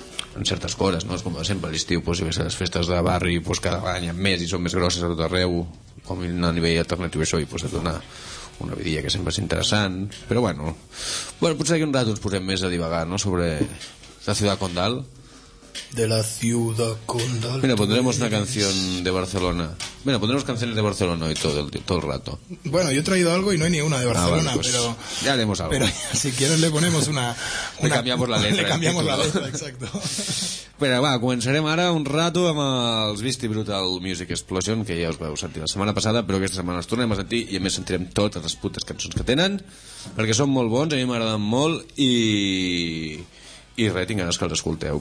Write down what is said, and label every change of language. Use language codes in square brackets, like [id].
[ca] en certes coses, no? És com sempre a l'estiu, pues, les festes de barri, pues, cada any en més i són més grosses a tot arreu, com a nivell alternatiu això, i pues, et dona una vidilla que sempre és interessant, però bueno potser aquí un rato ens posem més a divagar, no? Sobre la ciutat condal. De la ciutat condal. [es] Mira, pondremos una canción de Barcelona. Mira, pondremos canciones de Barcelona y todo el rato. Bueno, yo he traído algo y no hay ni una de Barcelona, vale, pues, pero ya haremos algo. Pero si quieres le ponemos una le cambiamos la letra. Le cambiamos la letra, exacto. Pero va, comenzaremos ahora un rato con los [ca] Beastie Brutal Music Explosion, que ya os vau sentir [es] la semana pasada, pero que esta semana [ca] os tornem a sentir y a més sentirem totes les putes cançons que tenen, perquè són molt bons, a mi m'agraden molt i res, tinc ganes que els escolteu.